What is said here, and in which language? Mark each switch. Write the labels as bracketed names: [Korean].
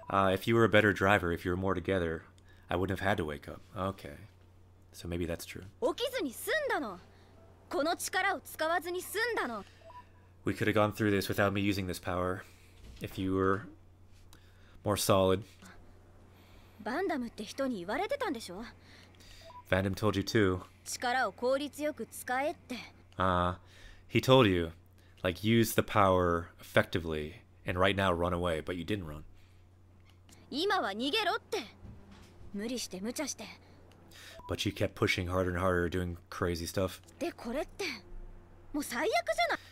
[English] If you were a better driver, if you were more together, I wouldn't have had to wake up. Okay. So maybe that's true. [Japanese] 起きずに済んだの。この力を使わずに済んだの。 [English] We could have gone through this without me using this power. If you were more solid. [Japanese] バンダムって人に言われてたんでしょ? [English] Vandam told you too. [Japanese] 力を効率よく使えって。 [English] He told you. Like, use the power effectively, and right now run away, but you didn't run. [Japanese] 今は逃げろって。無理して無茶して。 [English] But you kept pushing harder and harder, doing crazy stuff. [Japanese] で、これって、もう最悪じゃない。